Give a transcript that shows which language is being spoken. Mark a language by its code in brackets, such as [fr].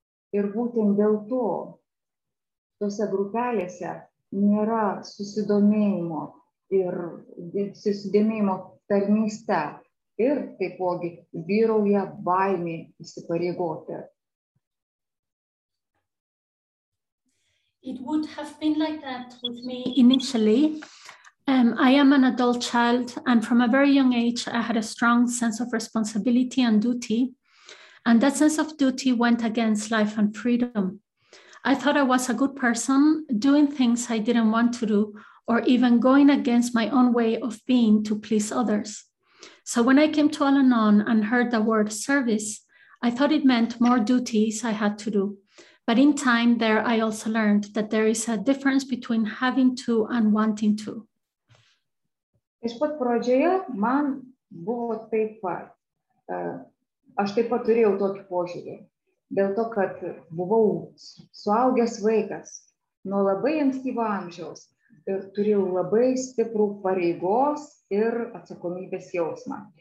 [lt] Ir būtent dėl to tose grupelėse nėra susidomėjimo tarnystę. Ir taipogi vyrauja baimė įsipareigoti. [en] It would have been like that with me initially. I am an adult child, and from a very young age, I had a strong sense of responsibility and duty. And that sense of duty went against life and freedom. I thought I was a good person, doing things I didn't want to do, or even going against my own way of being to please others. So when I came to Al-Anon and heard the word service, I thought it meant more duties I had to do. But in time there, I also learned that there is a difference between having to and wanting to. [lt] Iš pat pradžioje man buvo taip pat. Aš taip pat turėjau tokį požiūrį. Dėl to, kad buvau suaugęs vaikas nuo labai ankstyvo amžiaus ir turėjau labai stiprų pareigos ir atsakomybės jausmą.